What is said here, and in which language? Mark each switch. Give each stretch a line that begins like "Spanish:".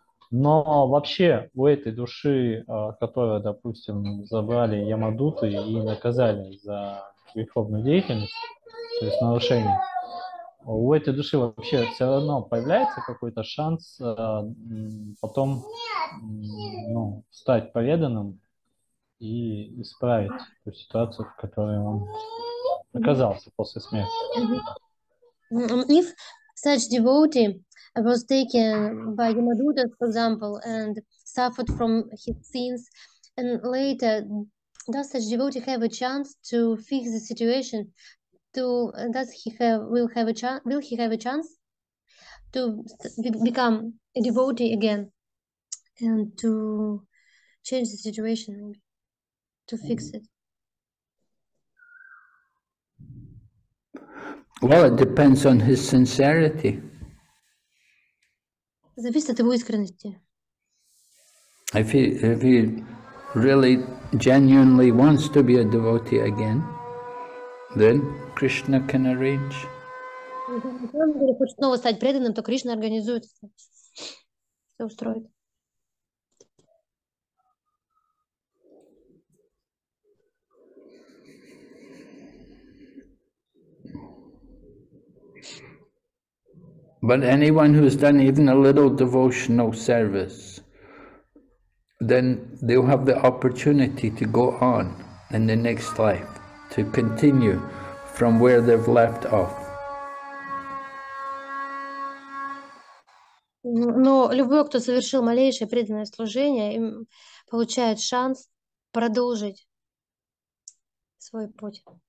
Russian: Но вообще у этой души, которую, допустим, забрали ямадуты и наказали за греховную деятельность, то есть нарушение, у этой души вообще все равно появляется какой-то шанс потом, ну, стать преданным и исправить ту ситуацию, в которой он оказался после смерти.
English: If such devotee was taken by Yamadutas, for example, and suffered from his sins, and later, does such devotee have a chance to fix the situation? Will he have a chance to become a devotee again and to change the situation, to fix it? Well, it depends on his sincerity.
Russian: Зависит от его искренности.
English: If he really genuinely wants to be a devotee again, then Krishna can arrange.
Russian: Если он хочет снова стать преданным, то Кришна организует все, устроит.
English: But anyone who's done even a little devotional service, then they'll have the opportunity to go on in the next life, to continue from where they've left off.
Russian: Но любой, кто совершил малейшее преданное служение, им получает шанс продолжить свой путь.